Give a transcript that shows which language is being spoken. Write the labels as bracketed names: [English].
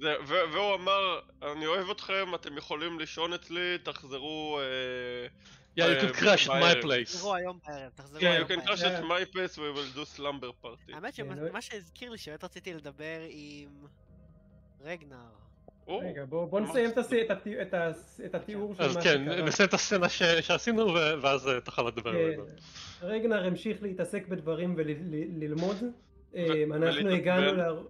[Hebrew] והוא אמר, אני אוהב אתכם, אתם יכולים לישון אצלי, תחזרו... [English] Yeah, you can crash at my place. [Hebrew] תחזרו היום בערב, תחזרו היום בערב. [English] You can crash at my place, we will do slumber party. [Hebrew] האמת שמה שהזכיר לי שבאמת רציתי לדבר עם... רגנר. רגע, בואו נסיים את התיאור של מה שקרה. אז כן, נסיים את הסצנה שעשינו, ואז תוכל לדבר על זה. רגנר המשיך להתעסק בדברים וללמוד. אנחנו הגענו ל...